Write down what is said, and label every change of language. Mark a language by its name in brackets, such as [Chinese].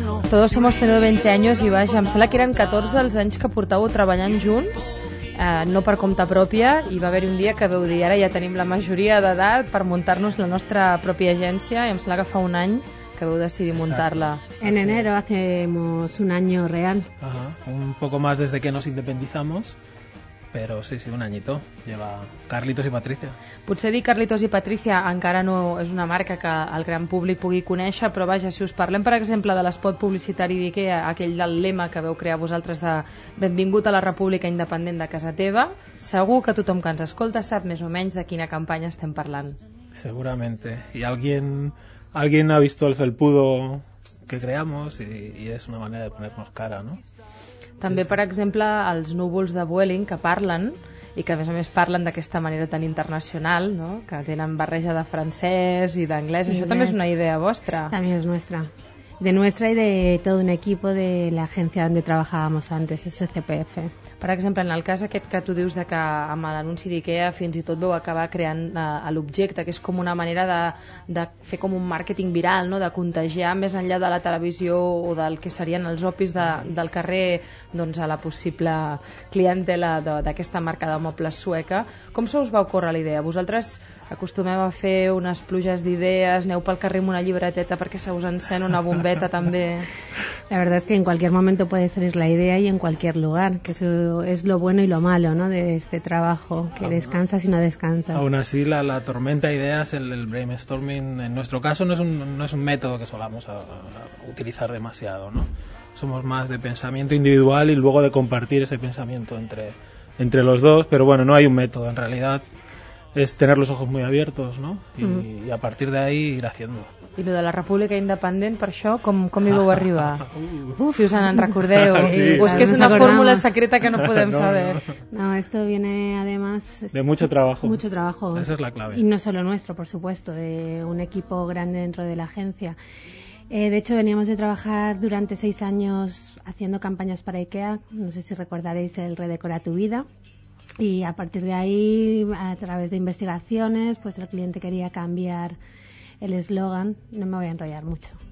[Spanish] Todos hemos tenido 20 años [Catalan] i vaja, em sembla que eren 14 els anys que portàveu treballant junts, no per compte pròpia, i va haver-hi un dia que vau dir ara ja tenim la majoria d'edat per muntar-nos la nostra pròpia agència, i em sembla que fa un any que vau decidir muntar-la. [Spanish] En enero hacemos un año real. Ajá, un poco más desde que nos independizamos. Pero sí, sí, un añito lleva Carlitos y Patricia. [Catalan] Potser dir Carlitos i Patricia encara no és una marca que el gran públic pugui conèixer, però vaja, si us parlem, per exemple, de l'espot publicitari d'IKEA, aquell del lema que veu crear vosaltres de benvingut a la República Independent de casa teva, segur que tothom que ens escolta sap més o menys de quina campanya estem parlant. [Spanish] Seguramente. Y alguien ha visto el felpudo que creamos y es una manera de ponernos cara, ¿no? [Catalan] També, per exemple, els núvols de Vueling que parlen i que, a més, parlen d'aquesta manera tan internacional, no? Que tenen barreja de francès i d'anglès. Això també és una idea vostra. També és nostra. [Spanish] De nuestra y de todo un equipo de la agencia donde trabajábamos antes, SCPF. [Catalan] Per exemple, en el cas aquest que tu dius de que amb l'anunci d'IKEA fins i tot veu acabar creant l'objecte, que és com una manera de fer com un màrqueting viral, no? De contagiar més enllà de la televisió o del que serien els opis del carrer, doncs, a la possible clientela d'aquesta marca de mobles sueca. Com se us va ocórrer la idea? Vosaltres acostumeu a fer unes pluges d'idees, aneu pel carrer amb una llibreteta perquè se us encén una bombeta també. [Spanish] La verdad es que en cualquier momento puede salir la idea y en cualquier lugar, que eso es lo bueno y lo malo, ¿no?, de este trabajo, que descansas y no descansas. Aún así, la tormenta de ideas, el brainstorming, en nuestro caso no es un método que solamos utilizar demasiado, ¿no? Somos más de pensamiento individual y luego de compartir ese pensamiento entre los dos, pero bueno, no hay un método en realidad. Es tener los ojos muy abiertos, ¿no? Y a partir de ahí ir haciendo. [Catalan] I lo de la República Independent, per això, com hi vau arribar? Si us en recordeu. Sí. O és que és una fórmula secreta que no podem saber. [Spanish] No, esto viene además... De mucho trabajo. Mucho trabajo. Esa es la clave. Y no solo nuestro, por supuesto, de un equipo grande dentro de la agencia. De hecho, veníamos de trabajar durante 6 años haciendo campañas para IKEA. No sé si recordaréis el Redecora tu vida. Y a partir de ahí, a través de investigaciones, pues el cliente quería cambiar el eslogan, no me voy a enrollar mucho.